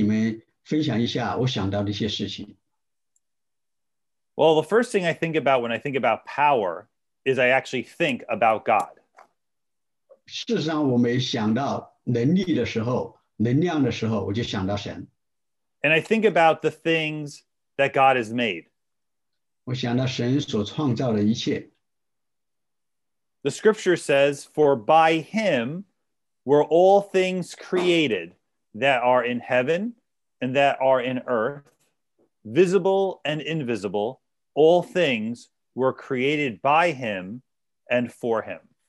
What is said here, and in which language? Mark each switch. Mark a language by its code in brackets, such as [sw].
[zh] 当我想到神的大能的时候，我来给你们分享一下我想到的一些事情。 [en] Well, the first thing I think about when I think about power is I actually think about God. [zh] 事实上，我每想到能力的时候，能量的时候，我就想到神。 [en] And I think about the things that God has made. [zh] 我想到神所创造的一切。 [en] The scripture says, "For by him were all things created that are in heaven and that are in earth, visible and invisible, all things were created by him and for him."